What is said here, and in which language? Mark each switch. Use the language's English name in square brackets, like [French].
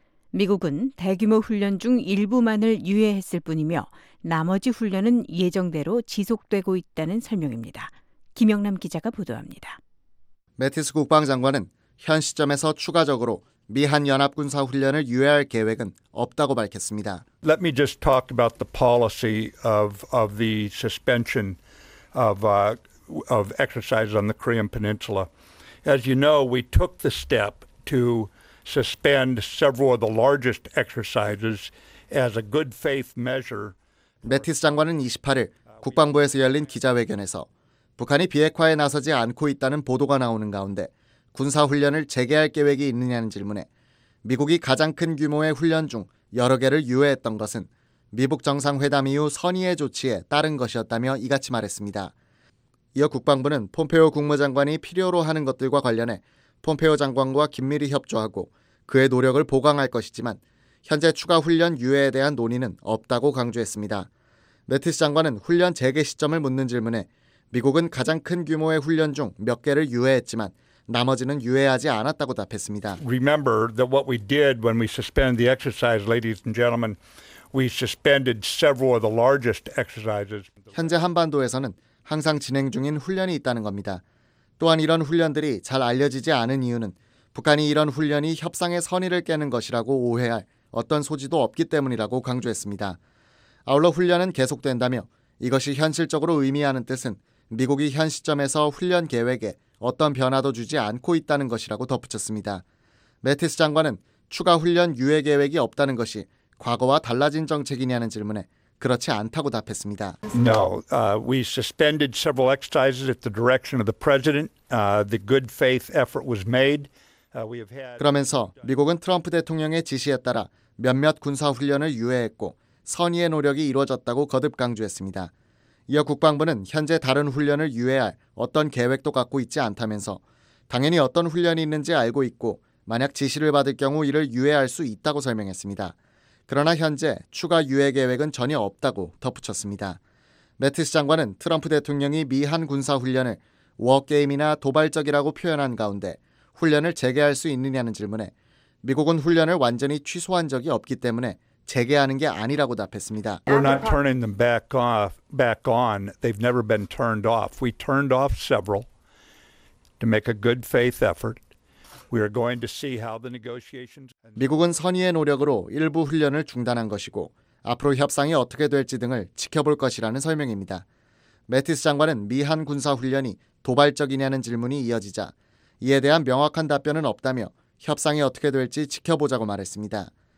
[Korean] 미국은 대규모 훈련 중 일부만을 유예했을 뿐이며 나머지 훈련은 예정대로 지속되고 있다는 설명입니다. 김영남 기자가 보도합니다. 매티스 국방장관은 현 시점에서 추가적으로 미한 연합군사 훈련을 유예할 계획은 없다고 밝혔습니다. [English] Let me just talk about the policy of the suspension of exercises on the Korean Peninsula. As you know, we took the step to suspend several of the largest exercises as a good faith measure. [Korean] 매티스 장관은 28일 국방부에서 열린 기자회견에서 북한이 비핵화에 나서지 않고 있다는 보도가 나오는 가운데 군사훈련을 재개할 계획이 있느냐는 질문에 미국이 가장 큰 규모의 훈련 중 여러 개를 유예했던 것은 미북 정상회담 이후 선의의 조치에 따른 것이었다며 이같이 말했습니다. 이어 국방부는 폼페오 국무장관이 필요로 하는 것들과 관련해 폼페오 장관과 긴밀히 협조하고 그의 노력을 보강할 것이지만 현재 추가 훈련 유예에 대한 논의는 없다고 강조했습니다. 매티스 장관은 훈련 재개 시점을 묻는 질문에 미국은 가장 큰 규모의 훈련 중 몇 개를 유예했지만 나머지는 유예하지 않았다고 답했습니다. [English] Remember that what we did when we suspended the exercise, ladies and gentlemen, we suspended several of the largest exercises. [Korean] 현재 한반도에서는 항상 진행 중인 훈련이 있다는 겁니다. 또한 이런 훈련들이 잘 알려지지 않은 이유는 북한이 이런 훈련이 협상의 선의를 깨는 것이라고 오해할 어떤 소지도 없기 때문이라고 강조했습니다. 아울러 훈련은 계속된다며 이것이 현실적으로 의미하는 뜻은 미국이 현 시점에서 훈련 계획에 어떤 변화도 주지 않고 있다는 것이라고 덧붙였습니다. 매티스 장관은 추가 훈련 유예 계획이 없다는 것이 과거와 달라진 정책이냐는 질문에 그렇지 않다고 답했습니다. [English] No, we suspended several exercises at the direction of the president. The good faith effort was made. [Korean] 그러면서 미국은 트럼프 대통령의 지시에 따라 몇몇 군사 훈련을 유예했고 선의의 노력이 이루어졌다고 거듭 강조했습니다. 이어 국방부는 현재 다른 훈련을 유예할 어떤 계획도 갖고 있지 않다면서 당연히 어떤 훈련이 있는지 알고 있고 만약 지시를 받을 경우 이를 유예할 수 있다고 설명했습니다. 그러나 현재 추가 유예 계획은 전혀 없다고 덧붙였습니다. 매티스 장관은 트럼프 대통령이 미한 군사 훈련을 워게임이나 도발적이라고 표현한 가운데 훈련을 재개할 수 있느냐는 질문에 미국은 훈련을 완전히 취소한 적이 없기 때문에 재개하는 게 아니라고 답했습니다. [English] We're not turning them back on. They've never been turned off. We turned off several to make a good faith effort. We are going to see how the negotiations. [Korean] 미국은 선의의 노력으로 일부 훈련을 중단한 것이고 앞으로 협상이 어떻게 될지 등을 지켜볼 것이라는 설명입니다. 매티스 장관은 미한 군사 훈련이 도발적이냐는 질문이 이어지자 이에 대한 명확한 답변은 없다며 협상이 어떻게 될지 지켜보자고 말했습니다.